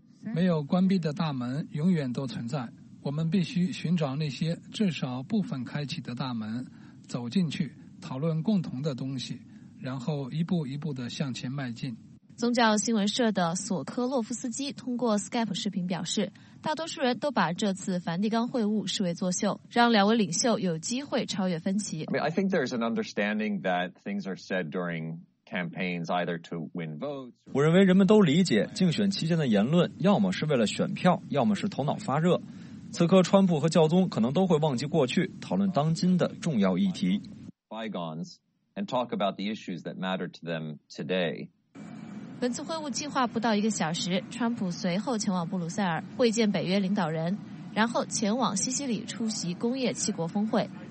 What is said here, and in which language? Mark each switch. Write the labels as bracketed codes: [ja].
[zh] 没有关闭的大门永远都存在，我们必须寻找那些至少部分开启的大门，走进去讨论共同的东西，然后一步一步地向前迈进。宗教新闻社的索科洛夫斯基通过 Skype 视频表示，大多数人都把这次梵蒂冈会晤视为作秀，让两位领袖有机会超越分歧。 [en] I think there's an understanding that things are said during campaigns either to win votes. [zh] 我认为人们都理解，竞选期间的言论要么是为了选票，要么是头脑发热。此刻川普和教宗可能都会忘记过去，讨论当今的重要议题。本次会晤计划不到一个小时，川普随后前往布鲁塞尔会见北约领导人，然后前往西西里出席工业七国峰会。